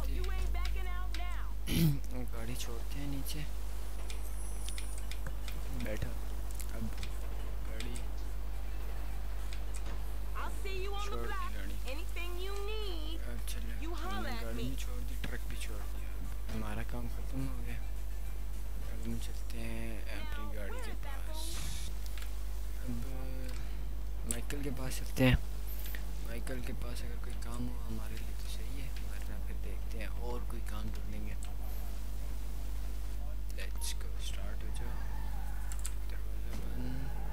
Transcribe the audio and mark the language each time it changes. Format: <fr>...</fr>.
<hi>गाड़ी छोड़ते हैं नीचे बैठा अब गाड़ी</hi> <en>I'll see you on the block. Anything you need, you holler at me.</en> <hi>छोड़ दी ट्रक भी छोड़ दिया हमारा काम खत्म हो गया अब हम चलते हैं अपनी गाड़ी के पास अब माइकल के पास चलते हैं माइकल के पास अगर कोई काम हुआ हमारे लिए तो सही है वरना फिर देखते हैं और कोई काम ढूंढेंगे लेट्स गो स्टार्ट हो जाओ दरवाजा बंद</hi>